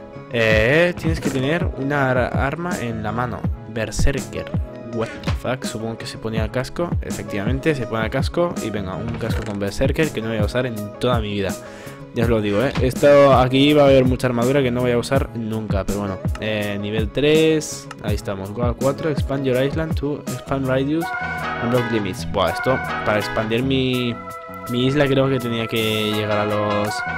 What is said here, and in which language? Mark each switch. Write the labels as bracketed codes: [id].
[es] Tienes que tener una arma en la mano, Berserker. [en] What the fuck, [es] supongo que se ponía el casco. Efectivamente, se pone el casco. Y venga, un casco con Berserker que no voy a usar en toda mi vida. Ya os lo digo, esto aquí va a haber mucha armadura que no voy a usar nunca. Pero bueno, nivel 3, ahí estamos. [en] Goal 4, expand your island to expand radius and block limits. [es] Buah, esto, para expandir mi isla creo que tenía que llegar a los...